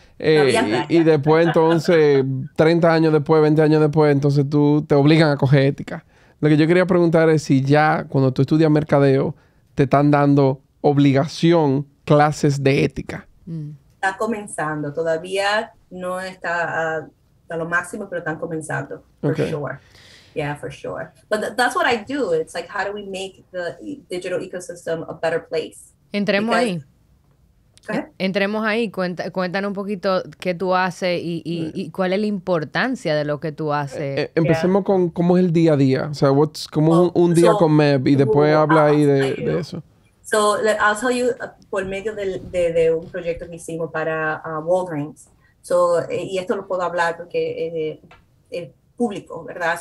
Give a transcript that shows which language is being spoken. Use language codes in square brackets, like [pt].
[es] Y después entonces, 30 años después, 20 años después, entonces tú te obligan a coger ética. Lo que yo quería preguntar es si ya cuando tú estudias mercadeo te están dando obligación clases de ética. Está comenzando. Todavía no está a lo máximo, pero están comenzando. [en] For sure. But that's what I do. It's like, how do we make the digital ecosystem a better place? [es] Entremos ahí. Entremos ahí, cuéntanos un poquito qué tú haces y cuál es la importancia de lo que tú haces. Empecemos con cómo es el día a día. O sea, cómo es un día con MEB y después habla ahí de eso. [en] So, I'll tell you, [es] por medio de un proyecto que hicimos para Walgreens, so, y esto lo puedo hablar porque es público, ¿verdad?